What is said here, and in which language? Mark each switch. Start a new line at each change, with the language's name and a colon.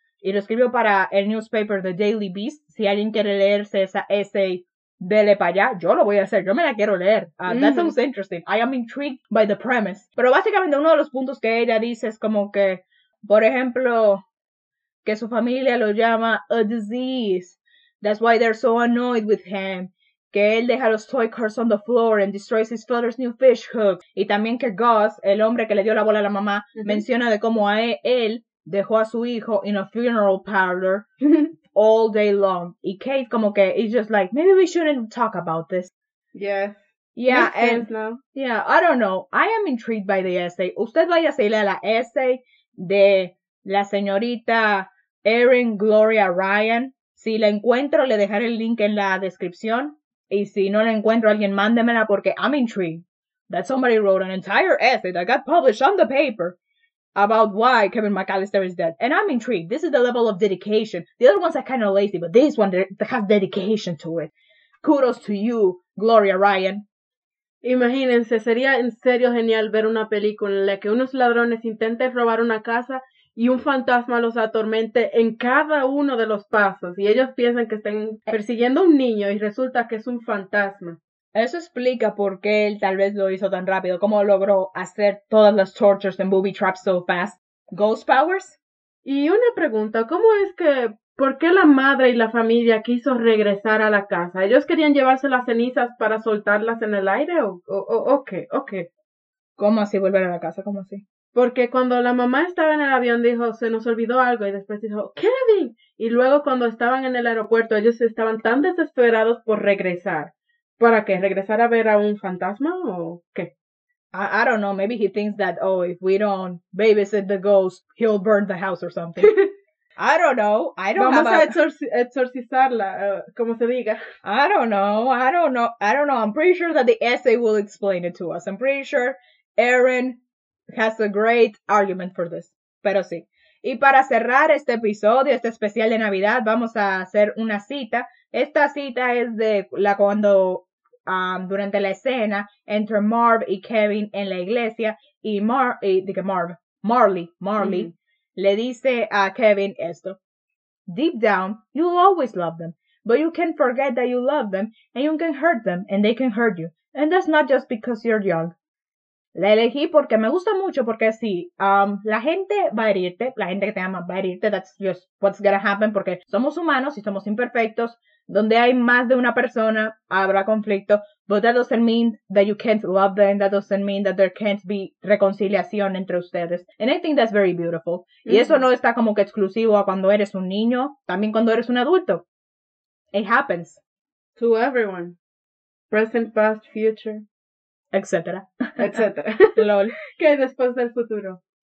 Spanish: Y lo escribió para el newspaper The Daily Beast. Si alguien quiere leerse esa essay, dele para allá, yo lo voy a hacer, yo me la quiero leer.
English: That sounds interesting. I am intrigued by the premise.
Spanish: Pero básicamente uno de los puntos que ella dice es como que, por ejemplo, que su familia lo llama a disease.
English: That's why they're so annoyed with him.
Spanish: Que él deja los
English: toy cars on the floor and destroys his father's new fish hook.
Spanish: Y también que Gus, el hombre que le dio la bola a la mamá, menciona de cómo a él dejó a su hijo
English: in a funeral parlor all day long.
Spanish: Y Kate como que,
English: it's just like, maybe we shouldn't talk about this. Yes. Yeah, Makes sense, no? I don't know. I am intrigued by the essay.
Spanish: Usted vaya a seguirle a la essay de la señorita Erin Gloria Ryan. Si la encuentro, le dejaré el link en la descripción. Y si no la encuentro, alguien mándemela porque
English: I'm intrigued that somebody wrote an entire essay that got published on the paper about why Kevin McAllister is dead. And I'm intrigued. This is the level of dedication. The other ones are kind of lazy, but this one has dedication to it. Kudos to you, Gloria Ryan.
Spanish: Imagínense, sería en serio genial ver una película en la que unos ladrones intenten robar una casa y un fantasma los atormente en cada uno de los pasos. Y ellos piensan que están persiguiendo a un niño y resulta que es un fantasma. Eso explica por qué él tal vez lo hizo tan rápido. ¿Cómo logró hacer todas las
English: tortures and booby traps so fast? ¿Ghost powers?
Spanish: Y una pregunta, ¿cómo es que... ¿Por qué la madre y la familia quiso regresar a la casa? ¿Ellos querían llevarse las cenizas para soltarlas en el aire o qué? ¿Cómo así volver a la casa? ¿Cómo así? Porque cuando la mamá estaba en el avión dijo, se nos olvidó algo. Y después dijo, ¡Kevin! Y luego cuando estaban en el aeropuerto, ellos estaban tan desesperados por regresar. ¿Para qué? ¿Regresar a ver a un fantasma o qué?
English: I don't know. Maybe he thinks that, oh, if we don't babysit the ghost, he'll burn the house or something. I don't know.
Spanish: Vamos a exorcizarla, como se diga.
English: I don't know. I'm pretty sure that the essay will explain it to us. I'm pretty sure Erin has a great argument for this.
Spanish: Pero sí. Y para cerrar este episodio, este especial de Navidad, vamos a hacer una cita. Esta cita es de la cuando, durante la escena, entre Marv y Kevin en la iglesia, y Marley. Mm-hmm. Le dice a Kevin esto.
English: Deep down, you'll always love them. But you can forget that you love them. And you can hurt them. And they can hurt you. And that's not just because you're young.
Spanish: La elegí porque me gusta mucho. Porque sí, la gente va a herirte. La gente que te ama va a herirte.
English: That's just what's gonna happen.
Spanish: Porque somos humanos y somos imperfectos. Donde hay más de una persona, habrá conflicto.
English: But that doesn't mean that you can't love them. That doesn't mean that there can't be
Spanish: reconciliación entre ustedes.
English: And I think that's very beautiful. Mm-hmm.
Spanish: Y eso no está como que exclusivo a cuando eres un niño. También cuando eres un adulto.
English: It happens. To everyone. Present, past, future.
Spanish: Etcétera. LOL. ¿Qué hay después del futuro?